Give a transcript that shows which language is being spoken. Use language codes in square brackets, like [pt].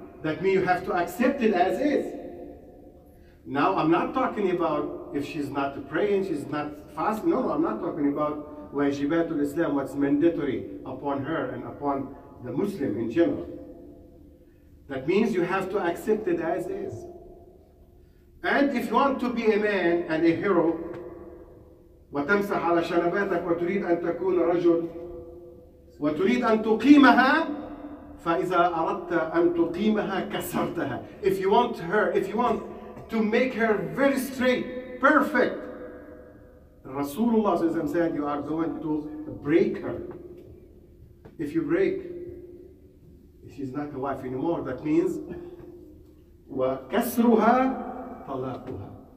[en] That means you have to accept it as is. Now, I'm not talking about if she's not praying, she's not fasting. No, I'm not talking about wajibatul Islam, what's mandatory upon her and upon the Muslim in general. That means you have to accept it as is. And if you want to be a man and a hero, [ar] وَتَمْسَحْ عَلَى شَنَبَاتَكْ وَتُرِيدْ أَنْ تَكُونَ رَجُلْ وَتُرِيدْ أَنْ تُقِيمَهَا فَإِذَا أَرَدْتَ أَنْ تُقِيمَهَا كَسَرْتَهَا. [en] If you want her, if you want to make her very straight, perfect, Rasulullah said, you are going to break her. If you break, she's not a wife anymore. That means [ar] وَكَسْرُهَا طَلَاقُهَا.